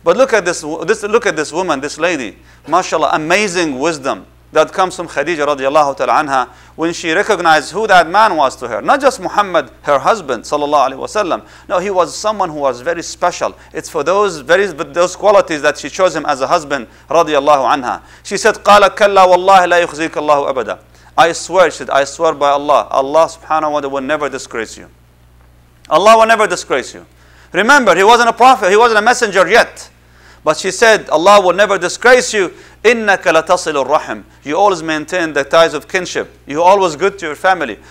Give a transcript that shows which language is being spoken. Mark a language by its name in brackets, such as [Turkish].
[English] But look at this woman, this lady. MashaAllah, amazing wisdom that comes from Khadija radiallahu ta'ala anha when she recognized who that man was to her. Not just Muhammad, her husband, sallallahu alayhi wa sallam. No, he was someone who was very special. It's for those qualities that she chose him as a husband, radiallahu anha. She said, [Arabic] قَالَ كَلَّا وَاللَّهِ لَا يُخْزِيكَ اللَّهُ أَبَدًا. [English] I swear by Allah. Allah subhanahu wa ta'ala will never disgrace you. Allah will never disgrace you. Remember, he wasn't a prophet. He wasn't a messenger yet. But she said, Allah will never disgrace you. [Arabic] إِنَّكَ لَتَصِلُ الرَّحِمُ. [English] You always maintain the ties of kinship. You always good to your family.